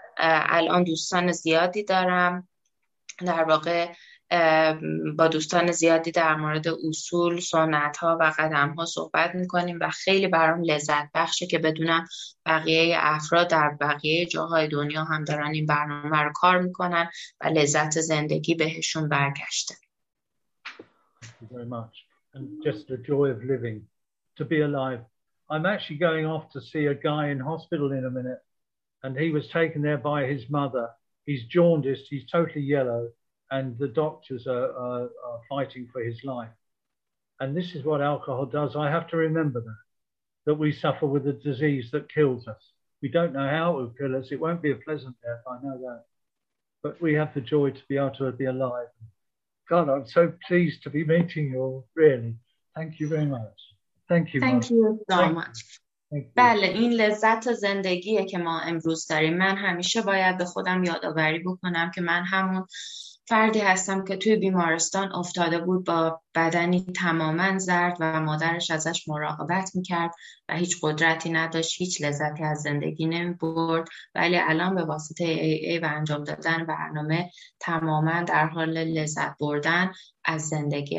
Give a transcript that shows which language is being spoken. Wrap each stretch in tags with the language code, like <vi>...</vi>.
<fa>الان دوستان زیادی دارم، در واقع با دوستان زیادی در مورد اصول، سنت ها و قدم ها صحبت میکنیم و خیلی برام لذت بخشه که بدونم بقیه افراد در بقیه جاهای دنیا هم دارن این برنامه رو کار میکنن و لذت زندگی بهشون برگشته.</fa> <en>Thank you very much. And just the joy of living, to be alive. I'm actually going off to see a guy in hospital in a minute, and he was taken there by his mother. He's jaundiced, he's totally yellow, and the doctors are fighting for his life. And this is what alcohol does. I have to remember that we suffer with a disease that kills us. We don't know how it will kill us. It won't be a pleasant death, I know that. But we have the joy to be able to be alive. God, I'm so pleased to be meeting you all, really. Thank you very much. Thank you. Thank you so much.</en> <fa>بله، این لذت زندگیه که ما امروز داریم. من همیشه باید به خودم یادآوری بکنم که من همون فردی هستم که توی بیمارستان افتاده بود با بدنی تماما زرد و مادرش ازش مراقبت میکرد و هیچ قدرتی نداشت، هیچ لذتی از زندگی نمیبرد، ولی الان به واسطه AA و انجام دادن برنامه تماما در حال لذت بردن از زندگی.</fa>